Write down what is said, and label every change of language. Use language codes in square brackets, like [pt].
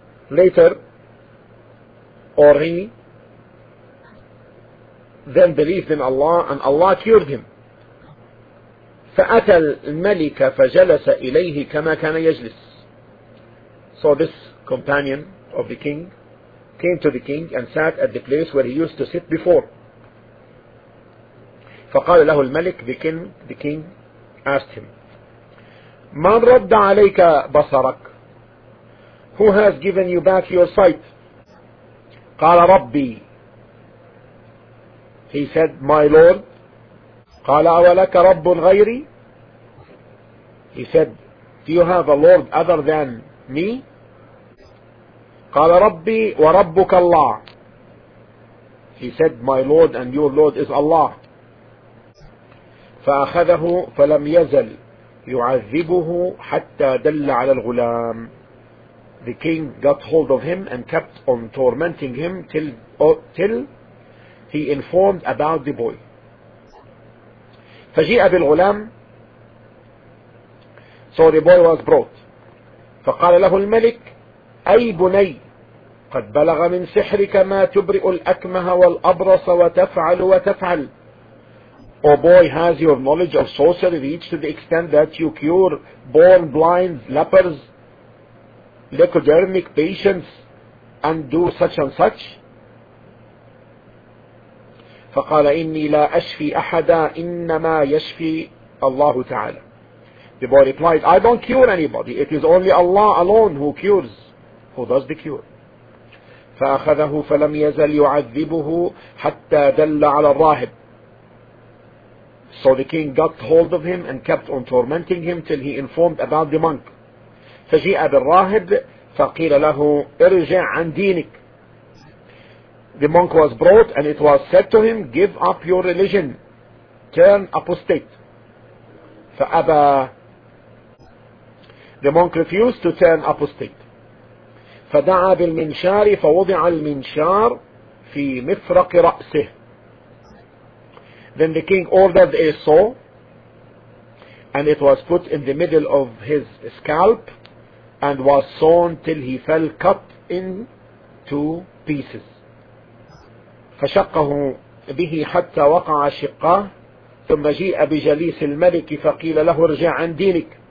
[en] Later, or he then believed in Allah and Allah cured him. [ar] فأتى الملك فجلس إليه كما كان يجلس. [en] So this companion of the king came to the king and sat at the place where he used to sit before. [ar] فقال له الملك, [en] the king asked him, [ar] من رد عليك بصرك? [en] Who has given you back your sight? [ar] قال ربي. [en] He said, my lord. [ar] قال أولك رب غيري? [en] He said, do you have a lord other than me? [ar] قال ربي وربك الله. [en] He said, my lord and your lord is Allah. [ar] فأخذه فلم يزل يعذبه حتى دل على الغلام. [en] The king got hold of him and kept on tormenting him till he informed about the boy. [ar] فجيء بالغلام. [en] So the boy was brought. [ar] فقال له الملك, أي بني قد بلغ من سحرك ما تبرئ الأكمه والأبرص وتفعل وتفعل. [en] O boy, has your knowledge of sorcery reached to the extent that you cure born blind, lepers, leukodermic patients, and do such and such? [ar] فقال إني لا أشفي أحدا إنما يشفي الله تعالى. [en] The boy replied, I don't cure anybody. It is only Allah alone who cures, who does the cure. [ar] فأخذه فلم يزل يعذبه حتى دل على الراهب. [en] So the king got hold of him and kept on tormenting him till he informed about the monk. [ar] فجيء بالراهب فقيل له ارجع عن دينك. [en] The monk was brought and it was said to him, give up your religion, turn apostate. [ar] فأبى. [en] The monk refused to turn apostate. [ar] فدعا بالمنشار فوضع المنشار في مفرق رأسه. [en] Then the king ordered a saw, and it was put in the middle of his scalp, and was sawn till he fell cut in two pieces. [ar] فشقه به حتى وقع شقاه، ثم جيء بجليس الملك فقيل له ارجع عن دينك.